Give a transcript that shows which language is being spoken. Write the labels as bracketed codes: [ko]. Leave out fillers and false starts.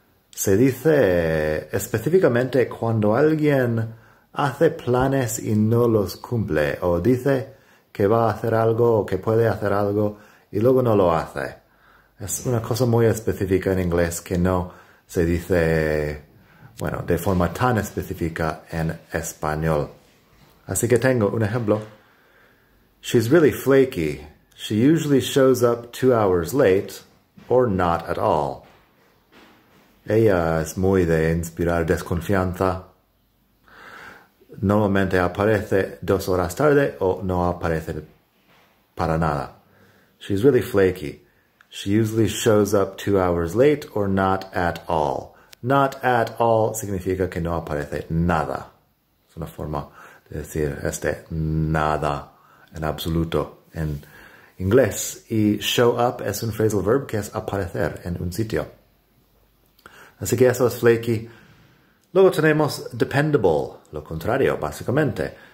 [es] Se dice específicamente cuando alguien hace planes y no los cumple o dice que va a hacer algo o que puede hacer algo y luego no lo hace. Es una cosa muy específica en inglés que no se dice, bueno, de forma tan específica en español. Así que tengo un ejemplo. [en] She's really flaky. She usually shows up 2 hours late or not at all. [es] Ella es muy de inspirar desconfianza. Normalmente aparece 2 horas tarde o no aparece para nada. [en] She's really flaky. She usually shows up 2 hours late or not at all. Not at all [es] significa que no aparece nada. Es una forma de decir este nada en absoluto en inglés. Y show up es un phrasal verb que es aparecer en un sitio. Así que eso es flaky. Luego tenemos dependable, lo contrario, básicamente.